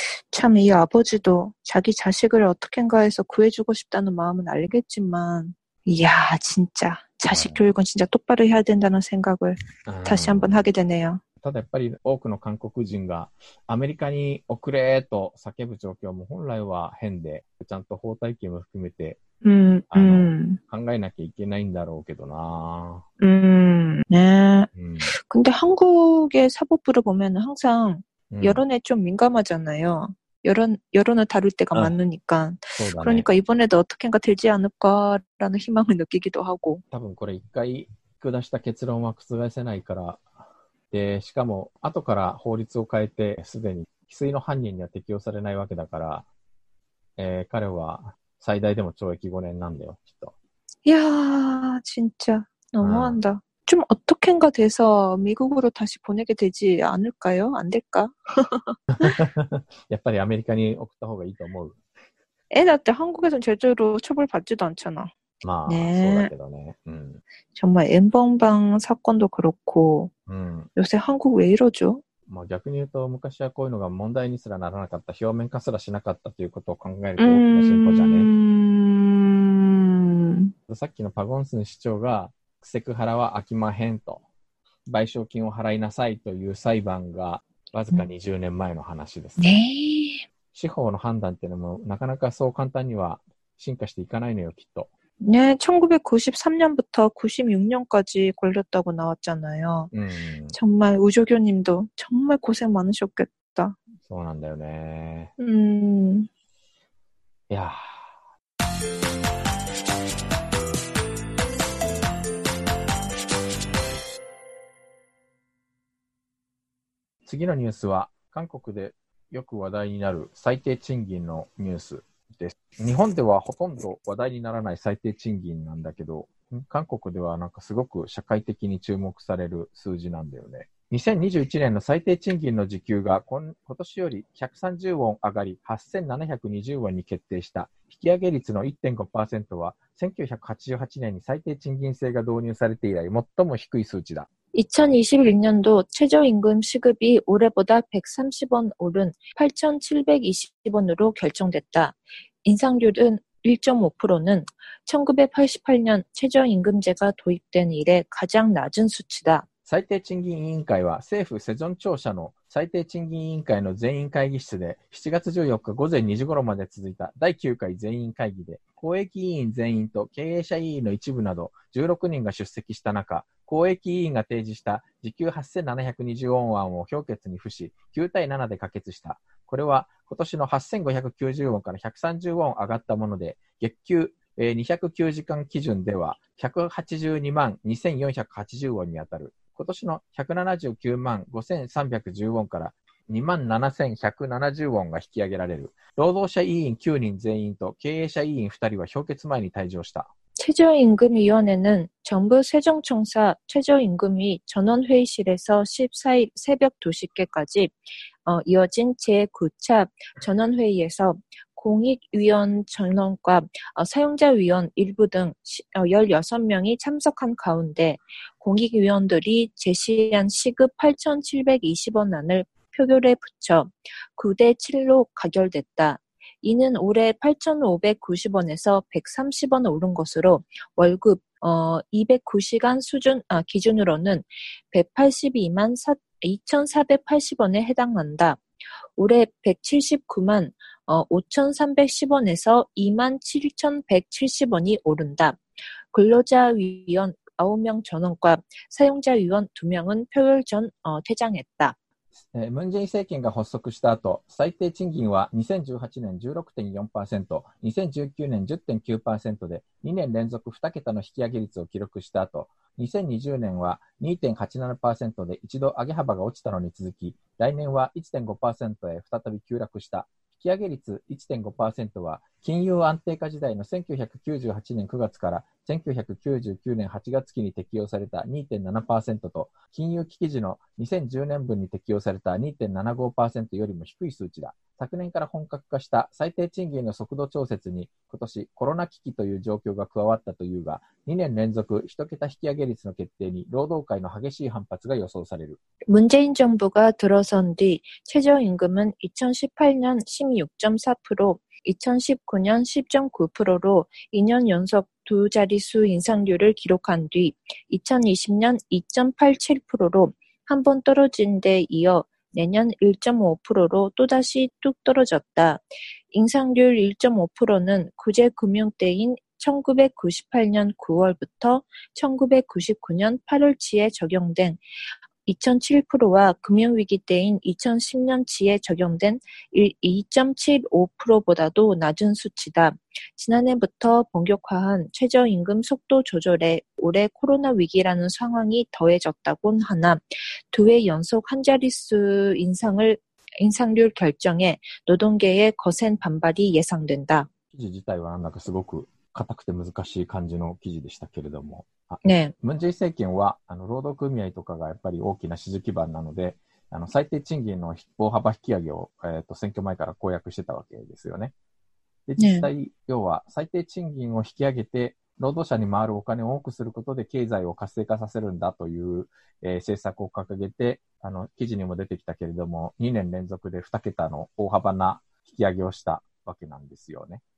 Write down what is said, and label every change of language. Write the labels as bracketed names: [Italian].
[Korean] 참이 아버지도 자기 자식을 어떻게인가 해서 구해주고 싶다는 마음은 알겠지만, 이야 진짜 자식 교육은 진짜 똑바로 해야 된다는 생각을 다시 한번 하게 되네요. [Japanese] ただやっぱり多くの韓国人がアメリカに送れと叫ぶ状況も本来は変で、ちゃんと法体系も含めて、考えなきゃいけないんだろうけどな。ねえ。 [Korean] 근데 한국의 사법부를 보면 항상 여론에 좀 민감하잖아요. 여론을 다룰 때가 많으니까. [Japanese] そうだ [Korean] 그러니까 [Japanese] ね。 [Korean] 이번에도 어떻게든가 되지 않을까라는 희망을 느끼기도 하고. [Japanese] 多分これ一回下した結論は覆せないから、で、しかも、後から法律を変えて、すでに、既遂の犯人には適用されないわけだから、彼は、最大でも懲役5年なんだよ、きっと。 [Korean] いやー、진짜 [Japanese] ああ。 [Korean] 너무한다. 좀 어떻게인가 돼서 미국으로 다시 보내게 되지 않을까요? 안 될까? [Japanese] やっぱりアメリカに送った方がいいと思う。え、だって [Korean] 한국에선 제대로 처벌받지도 않잖아. [Japanese] まあ、そうだねえ。けどね。 [Korean] 정말 N번방 사건도 그렇고, 요새 한국 왜 이러죠? [Japanese] まあ逆に言うと、昔はこういうのが問題にすらならなかった、表面化すらしなかったということを考えると大きな進歩じゃね。さっきのパゴンスン市長が、セクハラは飽きまへんと、賠償金を払いなさいという裁判が、わずか20年前の話ですねから。司法の判断っていうのも、なかなかそう簡単には進化していかないのよ、きっと。 [Korean] え。ねえ、1993년부터 96년까지 걸렸다고 나왔잖아요. 정말 우조교님도 정말 고생 많으셨겠다. [Japanese] そうなんだよね。いや。次のニュースは、韓国でよく話題になる最低賃金のニュースです。日本ではほとんど話題にならない最低賃金なんだけど、韓国ではなんかすごく社会的に注目される数字なんだよね。 2021年の最低賃金の時給が今年より130ウォン上がり8720ウォンに決定した。引き上げ率の 1.5% は1988年に最低賃金制が導入されて以来最も低い数値だ。 [Korean] 2021년도 최저임금 시급이 올해보다 130원 오른 8,720원으로 결정됐다. 인상률은 1.5%는 1988년 최저임금제가 도입된 이래 가장 낮은 수치다. [Japanese] 最低賃金委員会は政府セジョン庁舎の最低賃金委員会の全員会議室で7月14日午前2時頃まで続いた第9回全員会議で、公益委員全員と経営者委員の一部など16人が出席した中、公益委員が提示した時給8720ウォン案を表決に付し、9対7で可決した。これは今年の8590ウォンから130ウォン上がったもので、月給209時間基準では182万2480ウォンに当たる。今年の179万5310ウォンから2万7170ウォンが引き上げられる。労働者委員9人全員と経営者委員2人は評決前に退場した。 [Korean] 최저임금위원회는 정부 세종청사 최저임금위 전원회의실에서 14일 새벽 2시께까지 이어진 제9차 전원회의에서 공익위원 전원과 사용자위원 일부 등 16명이 참석한 가운데 공익위원들이 제시한 시급 8,720원안을 표결에 붙여 9대 7로 가결됐다. 이는 올해 8,590원에서 130원 오른 것으로 월급 209시간 수준 기준으로는 182만 2,480원에 해당한다. 올해 179만 5,310원에서 27,170원이 오른다. 근로자 위원 9명 전원과 사용자 위원 2명은 표결 전 퇴장했다. [Japanese] 문재인政権が発足した後、最低賃金は2018年 16.4%、2019年 10.9% で2年連続2桁の引き上げ率を記録した後、2020年は 2.87% で一度上げ幅が落ちたのに続き、来年は 1.5% へ再び急落した。引き上げ率 1.5% は金融安定化時代の1998年9月から1999年8月期に適用された 2.7% と、金融危機時の2010年分に適用された 2.75% よりも低い数値だ。昨年から本格化した最低賃金の速度調節に、今年コロナ危機という状況が加わったというが、2年連続1桁引き上げ率の決定に労働界の激しい反発が予想される。 [Korean] 文在寅政府が들어선뒤、최저임금은2018年 16.4%、2019년 10.9%로 2년연속두자리수인상률을기록한뒤2020년 2.87%로 한번떨어진데이어내년 1.5% 로또다시뚝떨어졌다. 인상률 1.5% 는구제금융때인1998년9월부터1999년8월치에적용된2.7% 와금융위기때인2010년치에적용된 2.75% 보다도낮은수치다. 지난해부터본격화한 최저임금 속도 조절에 올해 코로나 위기라는 상황이 더해졌다곤 하나 두 회 연속 한 자리 수 인상률 결정에 노동계의 거센 반발이 예상된다. [Japanese] 기지 自体は なんかすごく硬くて難しい感じの記事でしたけれども。ね、文在寅政権は労働組合とかがやっぱり大きな支持基盤なので、最低賃金の大幅引き上げを、選挙前から公約してたわけですよね。で、実際、ね、要は最低賃金を引き上げて労働者に回るお金を多くすることで経済を活性化させるんだという、政策を掲げて、記事にも出てきたけれども、2年連続で2桁の大幅な引き上げをしたわけなんですよね。